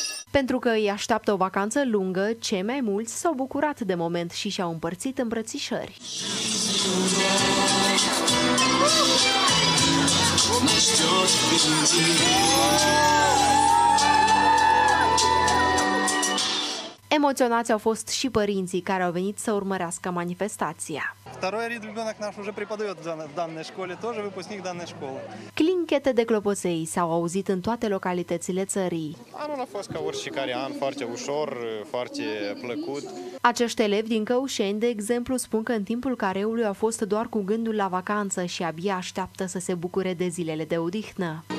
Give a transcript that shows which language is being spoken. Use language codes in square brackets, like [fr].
[ro] Pentru că îi așteaptă o vacanță lungă, cei mai mulți s-au bucurat de moment și și-au împărțit îmbrățișări. Emoționați au fost și părinții care au venit să urmărească manifestația. [ru] Второй ряд ребенок наш уже преподает в данной школе, тоже выпускник данной школы. [ro] Клинкете de clopoței s-au auzit în toate localitățile țării. Anul a fost ca oricare an, foarte ușor, foarte plăcut. Acești elevi din Căușeni, de exemplu, spun că în timpul careului au fost doar cu gândul la vacanță și abia așteaptă să se bucure de zilele de odihnă.